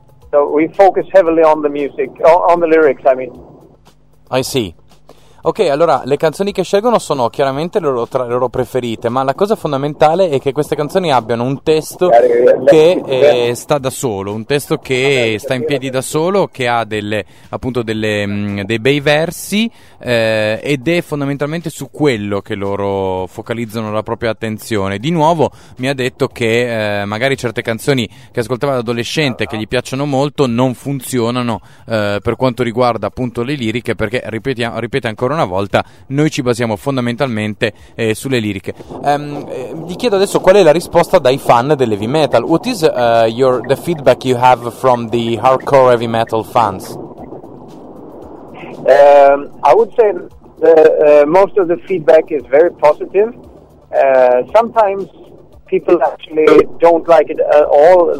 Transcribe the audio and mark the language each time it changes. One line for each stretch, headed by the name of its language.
English: So we focus heavily on the music, on the lyrics, I mean. I see.
Italian: Ok, allora, le canzoni che scelgono sono chiaramente tra le loro preferite, ma la cosa fondamentale è che queste canzoni abbiano un testo che sta da solo, un testo che sta in piedi da solo, che ha dei bei versi, ed è fondamentalmente su quello che loro focalizzano la propria attenzione. Di nuovo, mi ha detto che magari certe canzoni che ascoltava da adolescente, che gli piacciono molto, non funzionano per quanto riguarda appunto le liriche, perché ripeto ancora una volta, noi ci basiamo fondamentalmente sulle liriche. Vi chiedo adesso, qual è la risposta dai fan dell'heavy metal?
English: What is the feedback you have from the hardcore heavy metal fans? I would say the most of the feedback is very positive. Sometimes people actually don't like it at all.